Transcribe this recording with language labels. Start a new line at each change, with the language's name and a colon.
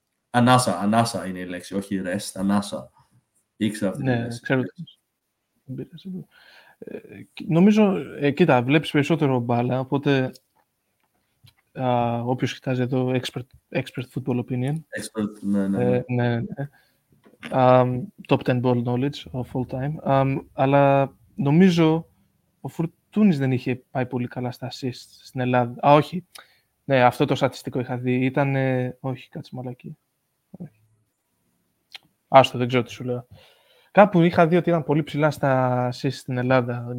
Greek: Ανάσα, ανάσα είναι η λέξη, όχι rest, ανάσα. Ήξερα αυτή ναι, τη λέξη. Ναι, ξέρω. Νομίζω, κοίτα, βλέπεις περισσότερο μπάλα, οπότε όποιος κοιτάζει εδώ,
English: expert football opinion.
Greek: Expert, ναι, ναι.
English: Top 10 ball knowledge of all time.
Greek: Αλλά νομίζω ο Φουρτούνης δεν είχε πάει πολύ καλά στα assists στην Ελλάδα. Α, όχι. Ναι, αυτό το στατιστικό είχα δει. Ήταν, όχι, κάτσε μαλακή. Άστο, δεν ξέρω τι σου λέω. Κάπου είχα δει ότι ήταν πολύ ψηλά στα assists στην Ελλάδα.